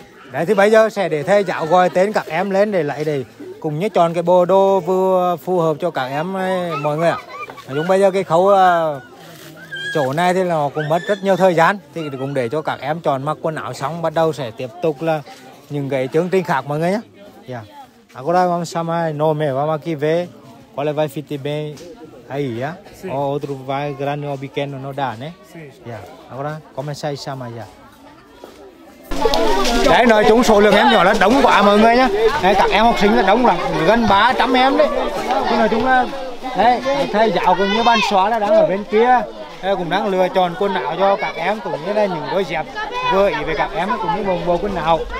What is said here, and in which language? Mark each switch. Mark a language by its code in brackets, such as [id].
[vi] Đấy thì bây giờ sẽ để thầy giáo gọi tên các em lên để lại để cùng nhớ chọn cái bộ đồ vừa phù hợp cho các em ấy, mọi người ạ. Nói chung bây giờ cái khâu chỗ này thì nó cũng mất rất nhiều thời gian, thì cũng để cho các em chọn mặc quần áo xong bắt đầu sẽ tiếp tục là những cái chương trình khác mọi người nhé. Dạ. [pt] Agora vamos chamar nome, vamos aqui ver qual vai fit bem aí, ya. O outro vai grande ou pequeno não dá, né? Dạ. Agora começa aí chamar já. [vi] Đấy, nói chung số lượng em nhỏ là đông quá mọi người nhá. Đấy, các em học sinh là đông rồi, gần 300 em đấy. Thì nói chung là đấy, thầy giáo cũng như ban xóa là đang ở bên kia. Thầy cũng đang lựa chọn quần áo cho các em cũng như là những đôi dép vừa ý về các em cũng như bộ bộ quần áo.